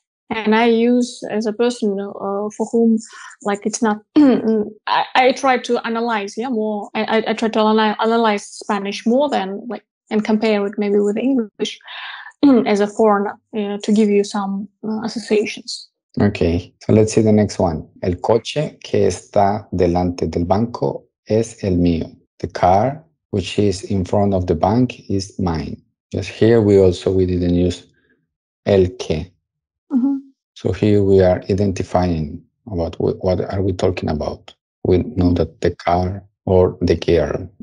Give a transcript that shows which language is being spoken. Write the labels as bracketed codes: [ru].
[en] And I use as a person for whom, like, it's not, I try to analyze, yeah, more. I try to analyze Spanish more than, like, and compare it maybe with English as a foreigner, you know, to give you some associations. Okay, so let's see the next one. [es] El coche que está delante del banco es el mío. [en] The car which is in front of the bank is mine. Just here we didn't use el que. So here we are identifying about what are we talking about. We know that the car or the girl.